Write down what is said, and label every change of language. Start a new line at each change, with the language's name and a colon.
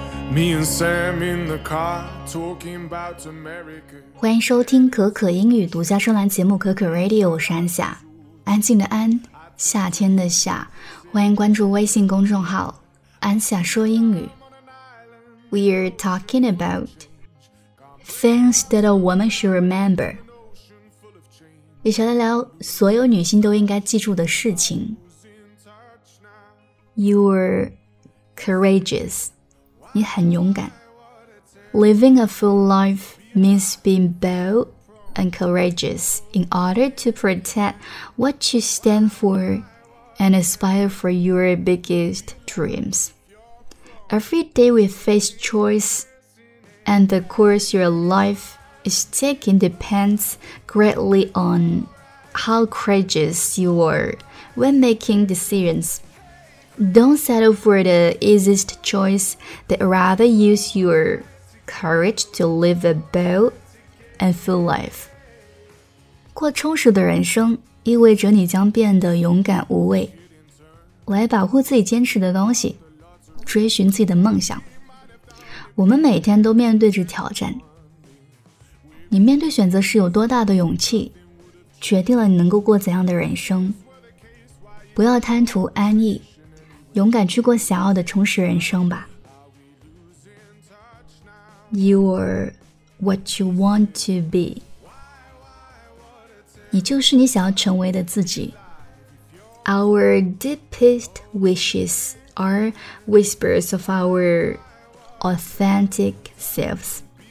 English: Me and Sam in the car, talking about America.
Chinese: 欢迎收听可可英语独家专栏节目可可 Radio， 我是安夏，安静的安，夏天的夏。欢迎关注微信公众号安夏说英语。
English: We're talking about things that a woman should remember.
Chinese: 一起来聊所有女性都应该记住的事情。
English: You're courageous.
Chinese: 你很勇敢。
English: Living a full life means being bold and courageous in order to protect what you stand for and aspire for your biggest dreams. Every day we face choice, and the course your life is taking depends greatly on how courageous you are when making decisions. Don't settle for the easiest choice, but rather use your courage to live a bold and full life.
Chinese: 过充实的人生意味着你将变得勇敢无畏，来保护自己坚持的东西。追寻自己的梦想，我们每天都面对着挑战。你面对选择时有多大的勇气，决定了你能够过怎样的人生。不要贪图安逸，勇敢去过想要的充实人生吧。
English: You're what you want to be.
Chinese: 你就是你想要成为的自己。
English: Our deepest wishesare whispers of our authentic selves.